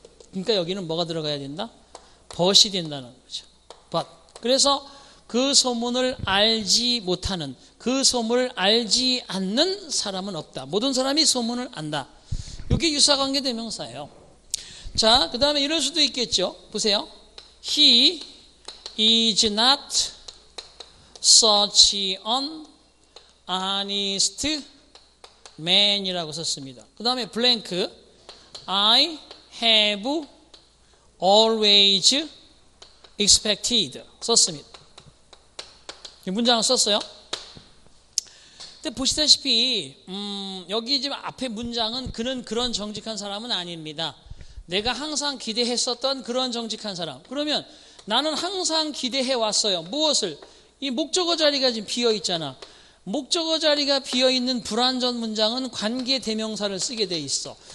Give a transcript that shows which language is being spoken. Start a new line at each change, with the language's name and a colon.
Korean: 그러니까 여기는 뭐가 들어가야 된다? 벗이 된다는 거죠. But. 그래서 그 소문을 알지 못하는, 그 소문을 알지 않는 사람은 없다. 모든 사람이 소문을 안다. 이게 유사관계 대명사예요. 자, 그 다음에 이럴 수도 있겠죠. 보세요.
English: He is not such an honest man
Korean: 이라고 썼습니다. 그 다음에 블랭크.
English: I have always expected
Korean: 썼습니다. 이 문장을 썼어요. 근데 보시다시피 여기 지금 앞에 문장은 그는 그런 정직한 사람은 아닙니다. 내가 항상 기대했었던 그런 정직한 사람. 그러면 나는 항상 기대해왔어요. 무엇을? 이 목적어 자리가 지금 비어있잖아. 목적어 자리가 비어있는 불완전 문장은 관계 대명사를 쓰게 돼 있어.